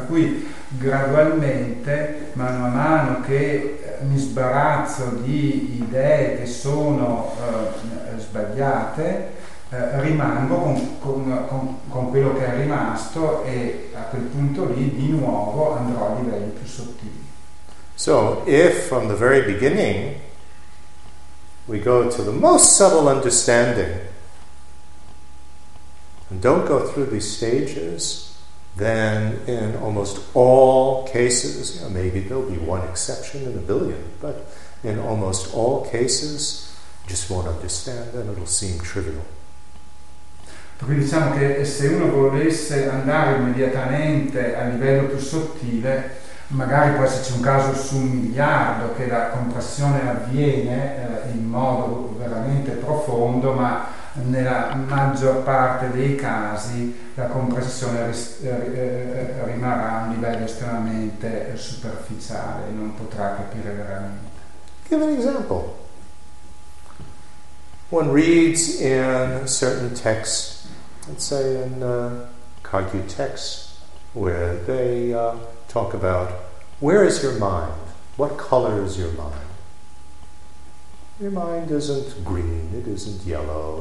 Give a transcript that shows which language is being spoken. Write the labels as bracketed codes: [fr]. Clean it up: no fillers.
[it] Per cui gradualmente, mano a mano che mi sbarazzo di idee che sono sbagliate, rimango con quello che è rimasto e a quel punto lì di nuovo andrò a livelli più sottili. [en] So, if from the very beginning we go to the most subtle understanding and don't go through these stages, then in almost all cases, you know, maybe there'll be one exception in a billion, but in almost all cases, just won't understand and it'll seem trivial. [it] Quindi diciamo che se uno volesse andare immediatamente a livello più sottile, magari può esserci un caso su un miliardo che la compressione avviene in modo veramente profondo, ma nella maggior parte dei casi la compressione rimarrà a un livello estremamente superficiale, non potrà capire veramente. [en] Give an example. One reads in certain texts, let's say in Kagyu texts, where they talk about where is your mind? What color is your mind? Your mind isn't green, it isn't yellow.